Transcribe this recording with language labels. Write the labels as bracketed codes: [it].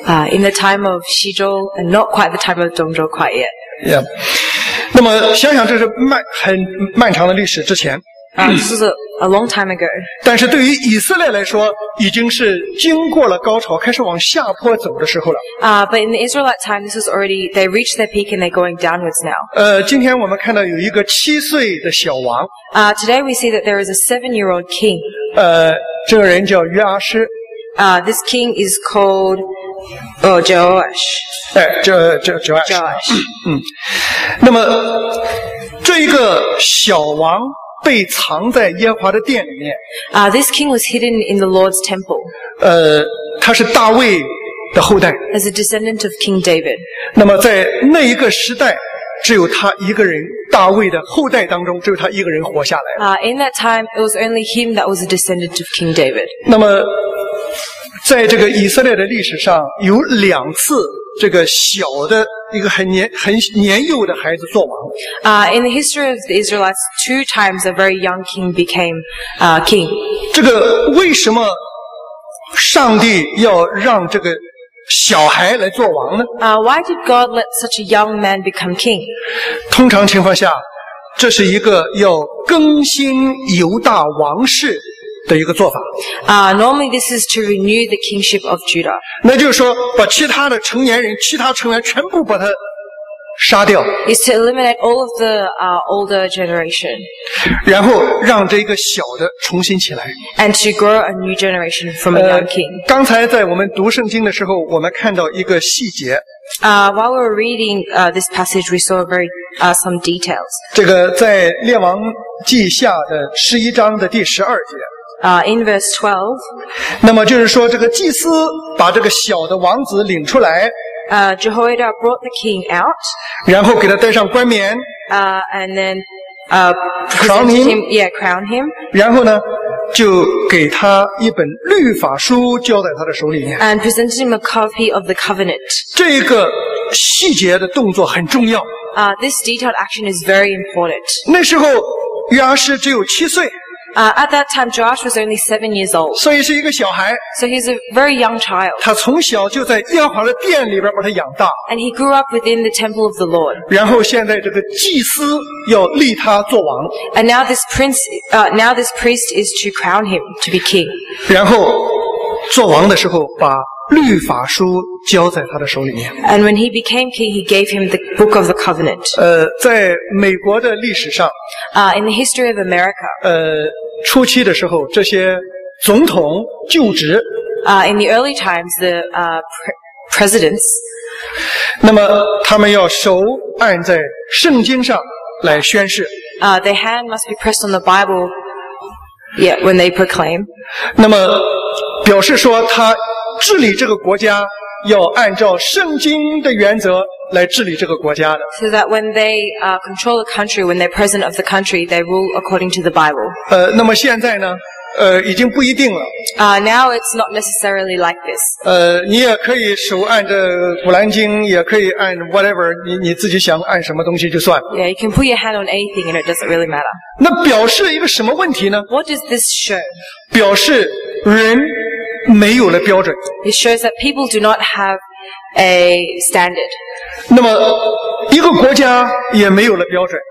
[en] In the time of 西周 and not quite the time of 中周 quite yet. Yeah. [zh] 那么想想这是很漫长的历史之前。 [en] This is a long time ago. [zh] 但是对于以色列来说，已经是经过了高潮，开始往下坡走的时候了。 [en] But in the Israelite time, this is already they reached their peak and they're going downwards now. [zh] 今天我们看到有一个七岁的小王。 [en] Today we see that there is a seven-year-old king. [zh] 这个人叫约阿施。 [en] This king is called. Joash. 哎，Joash. Joash. [zh] 那么这一个小王被藏在耶和华的殿里面。 [en] This king was hidden in the Lord's temple. [zh] 他是大卫的后代。 [en] As a descendant of King David. [zh] 那么在那一个时代，只有他一个人，大卫的后代当中，只有他一个人活下来。 [en] In that time, it was only him that was a descendant of King David. [zh] 那么在这个以色列的历史上，有两次这个小的一个很年幼的孩子做王。 [en] In the history of the Israelites, two times a very young king became king. [zh] 这个为什么上帝要让这个小孩来做王呢？ [en] Why did God let such a young man become king? [zh] 通常情况下，这是一个要更新犹大王室。的一个做法。 [en] Normally this is to renew the kingship of Judah. [zh] 那就是说把其他的成年人其他成员全部把他杀掉。 [en] Is to eliminate all of the older generation. [zh] 然后让这个小的重新起来。 [en] And to grow a new generation from a young king. [zh] 刚才在我们读圣经的时候我们看到一个细节。 [en] While we were reading this passage, we saw very some details. [zh] 这个在列王记下的十一章的第十二节。 [en] In verse 12, [zh] 那么就是说这个祭司把这个小的王子领出来 [en] Jehoiada brought the king out, [zh] 然后给他戴上冠冕 [en] and then crowned him, yeah, crown him, [zh] 然后呢就给他一本律法书交在他的手里面 [en] and presented him a copy of the covenant. [zh] 这个细节的动作很重要 [en] This detailed action is very important. [zh] 那时候约阿施只有七岁 [en] At that time, Joash was only 7 years old. [zh] 所以是一个小孩。 [en] So he's a very young child. [zh] 他从小就在耶和华的殿里边把他养大。 [en] And he grew up within the temple of the Lord. [zh] 然后现在这个祭司要立他做王。 [en] And now this prince, now this priest is to crown him to be king. [zh] 然后做王的时候把律法书交在他的手里面。 [en] And when he became king, he gave him the book of the covenant. [zh] 在美国的历史上。 [en] In the history of America. [zh] 初期的时候，这些总统就职。 [en] In the early times, the presidents. [zh] 那么他们要手按在圣经上来宣誓。 [en] Their hand must be pressed on the Bible. Yeah, when they proclaim. [zh] 那么表示说他。治理这个国家要按照圣经的原则来治理这个国家的。 [en] So that when they control the country, when they're president of the country, they rule according to the Bible. [zh] 那么现在呢？已经不一定了。 [en] Now it's not necessarily like this. [zh] 你也可以手按着古兰经，也可以按 [en] whatever， [zh] 你自己想按什么东西就算。 [en] Yeah, you can put your hand on anything and it doesn't really matter. [zh] 那表示一个什么问题呢 [en] ？What does this show? [zh] 表示人。没有了标准。 [en] It shows that people do not have a standard. [zh] 那么一个国家也没有了标准。